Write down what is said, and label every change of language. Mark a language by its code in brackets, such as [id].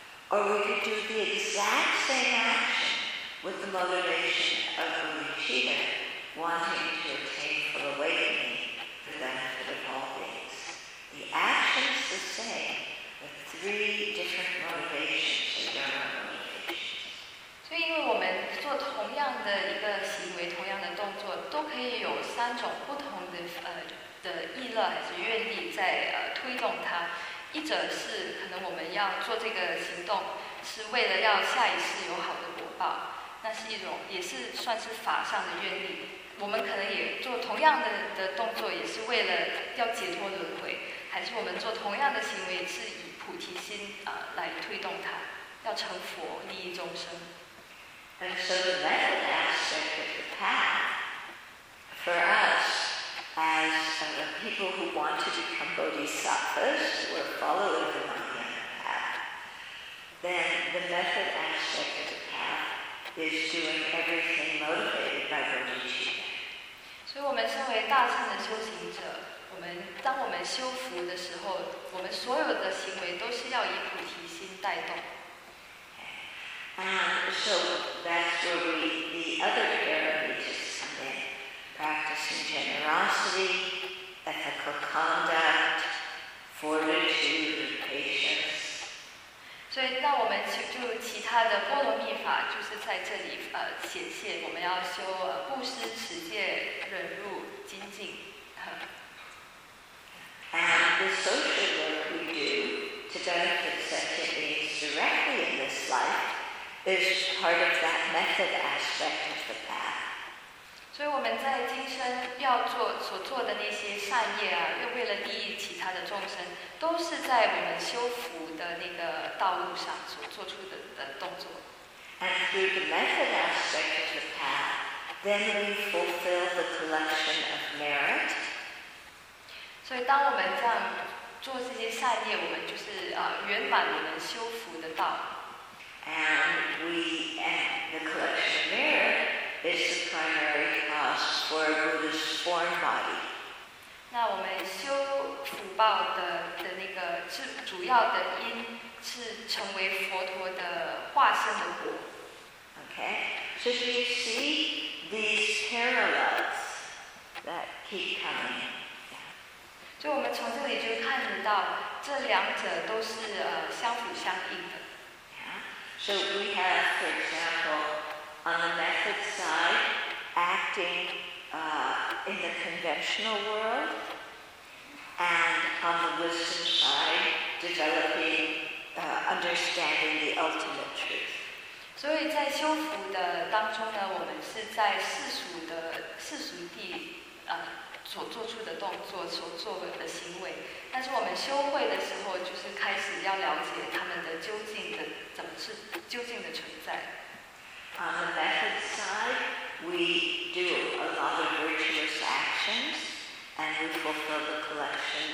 [en] Or we could do the exact same action with the motivation of bodhicitta, wanting to attain full awakening for the benefit of all beings. The action's the same, but three different motivations are done. [zh] 所以因为我们做同样的一个行为同样的动作都可以有三种不同的意乐还是愿力在推动它一者是可能我们要做这个行动是为了要下一世有好的果报那是一种也是算是法上的愿力我们可能也做同样的动作也是为了要解脱轮回还是我们做同样的行为是以菩提心来推动它要成佛利益众生 [en] And so the method aspect of the path, for us, as people who want to become bodhisattvas, who are following the Mahayana path, then the method aspect of the path is doing everything motivated by bodhicitta. [zh] 所以我们身为大乘的修行者，我们当我们修福的时候，我们所有的行为都是要以菩提心带动。 [en] And so that's where the other paramitas come in. Practicing generosity, ethical conduct, fortitude, patience. [zh] 所以那我们就其他的波罗蜜法就是在这里显现我们要修布施、持戒、忍辱、精进。 [en] And the social work we do to benefit sentient beings directly in this life,is part of that method aspect of the path. [zh] 所以我们在今生要做所做的那些善业啊，又为了利益其他的众生，都是在我们修福的那个道路上所做出的动作。 [en] And through the method aspect of the path, then we fulfill the collection of merit. [zh] 所以当我们这样做这些善业，我们就是圆满我们修福的道。 [en] And the collection of merit is the primary cause for Buddha's form body. [zh] 那我们修福报的那个主要的因是成为佛陀的化身的果。 [en] Okay, so do you see these parallels that keep coming? [zh] 就我们从这里就看得到，这两者都是相辅相应的。 [en] So we have, for example, on the method side, acting in the conventional world, and on the wisdom side, developing understanding the ultimate truth. [zh] 所以在修福的当中呢，我们是在世俗地所做出的动作，所做的行为。但是我们修慧的时候，就是开始要了解他们的究竟的怎么是究竟的存在。 [en] On the method side, we do a lot of virtuous actions, and we fulfill the collection.